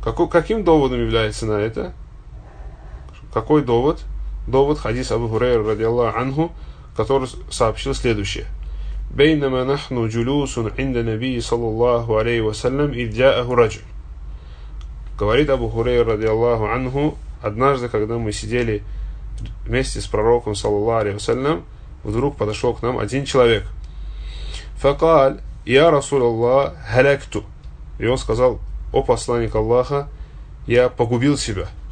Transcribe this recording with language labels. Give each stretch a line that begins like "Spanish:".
Russian: Каким доводом является на это? Какой довод? Довод хадис Абу Хурейра радиаллаху анху, который сообщил следующее.
Arabic: بينما نحن جلوس عند النبي صلى الله عليه وسلم إذ جاءه رجل.
Russian: Говорит Абу Хурейра
Arabic: رضي الله عنه,
Russian: однажды, когда мы сидели вместе с пророком
Arabic: صلى الله عليه وسلم,
Russian: вдруг подошел к нам один человек.
Arabic: فقال يا رسول الله هلكت.
Russian: И он сказал: о посланник Аллаха, я погубил себя.